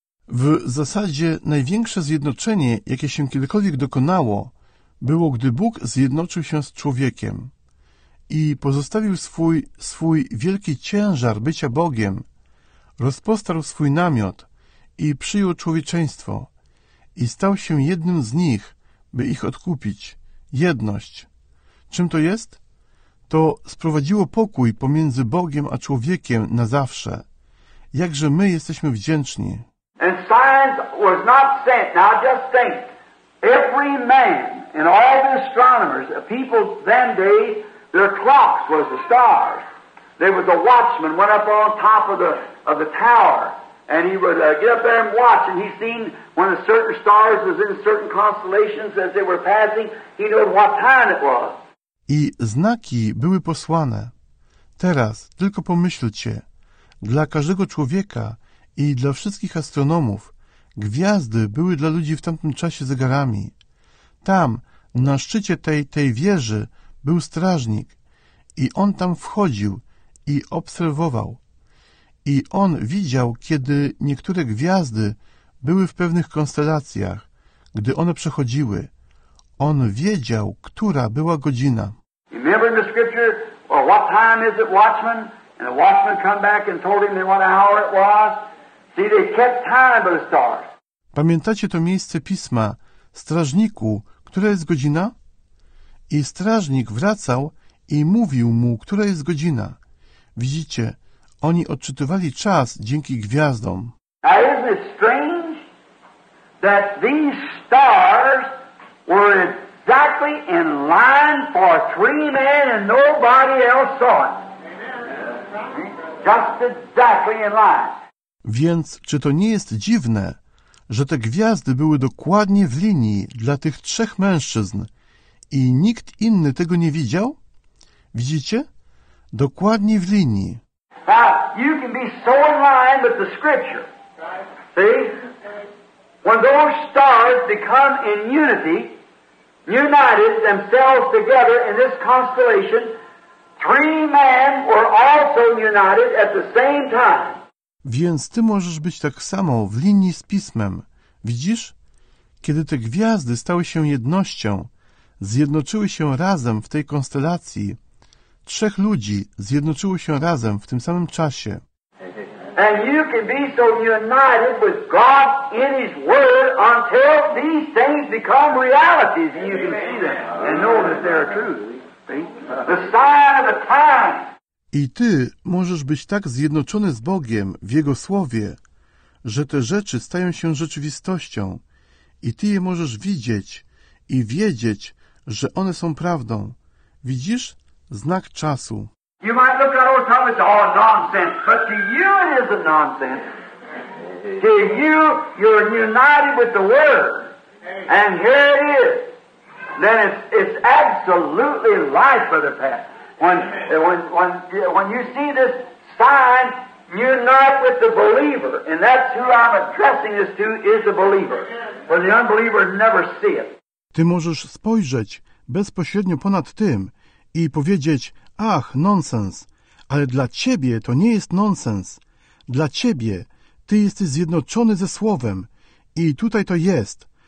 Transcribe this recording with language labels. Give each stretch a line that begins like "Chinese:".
Polish: W zasadzie największe zjednoczenie, jakie się kiedykolwiek dokonało, było, gdy Bóg zjednoczył się z człowiekiem i pozostawił swój wielki ciężar bycia Bogiem, rozpostarł swój namiot i przyjął człowieczeństwo i stał się jednym z nich, by ich odkupić. Jedność. Czym to jest? To sprowadziło pokój pomiędzy Bogiem a człowiekiem na zawsze. Jakże my jesteśmy wdzięczni.
English: And signs was not sent. Now just think, every man and all the astronomers, the people then day, their clocks was the stars. There was a watchman went up on top of the tower, and he would get up there and watch, and he seen when a certain stars was in certain constellations as they were passing, he knew what time it was.
Polish: I znaki były posłane. Teraz tylko pomyślcie, dla każdego człowieka i dla wszystkich astronomów gwiazdy były dla ludzi w tamtym czasie zegarami. Tam, na szczycie tej wieży, był strażnik i on tam wchodził i obserwował. I on widział, kiedy niektóre gwiazdy były w pewnych konstelacjach, gdy one przechodziły. On wiedział, która była godzina.
English: Remember in the scripture, or what time is it, watchman? And the watchman come back and told him what hour it was. See, they kept time by the stars.
Polish: Pamiętacie to miejsce pisma, strażniku, która jest godzina? I strażnik wracał i mówił mu, która jest godzina. Widzicie, oni odczytywali czas dzięki gwiazdom.
English: Now, isn't it strange that these stars were exactly in line for three men and nobody else saw it? Just exactly in line.
Polish: Więc czy to nie jest dziwne, że te gwiazdy były dokładnie w linii dla tych trzech mężczyzn i nikt inny tego nie widział? Widzicie? Dokładnie w linii.
English: Now, you can be so in line with the scripture. See? When those stars become in unity, united themselves together in this constellation, three men were also united at the same time.
Polish: Więc ty możesz być tak samo w linii z pismem. Widzisz? Kiedy te gwiazdy stały się jednością, zjednoczyły się razem w tej konstelacji, trzech ludzi zjednoczyło się razem w tym samym czasie.
English: And you can be so united with God in His Word until these things become realities and you can see them and know that they are true. The sign of the time.
Polish: I ty możesz być tak zjednoczony z Bogiem w Jego Słowie, że te rzeczy stają się rzeczywistością i ty je możesz widzieć i wiedzieć, że one są prawdą. Widzisz? Znak czasu.
English: You might look at old Thomas, oh, nonsense, but to you it isn't nonsense. To you, you're united with the Word. And here it is. Then it's absolutely life for the past. When you see this sign, unite with the believer, and that's who I'm addressing this to, is the believer. For the unbeliever never see it.
Polish: Ty możesz spojrzeć bezpośrednio ponad tym i powiedzieć, ach, nonsens, ale dla ciebie to nie jest nonsens. Dla ciebie ty jesteś zjednoczony ze Słowem i tutaj to jest.